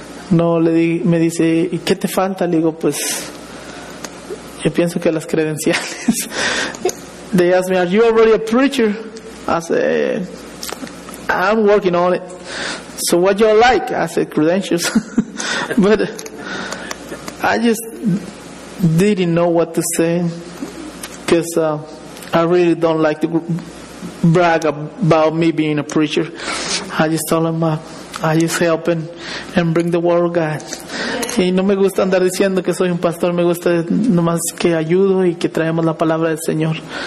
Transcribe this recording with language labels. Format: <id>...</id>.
<es>Me dice, ¿y qué te falta? Le digo, pues, yo pienso que las credenciales.</es> <en>They ask me, ¿are you already a preacher? I say, I'm working on it. So what you like? I said, credentials. But I just didn't know what to say, because I really don't like to brag about me being a preacher. I just told him, I just help and bring the word of God.</en> <es>Y no me gusta andar diciendo que soy un pastor. Me gusta nomás que ayudo y que traemos la palabra del Señor.</es>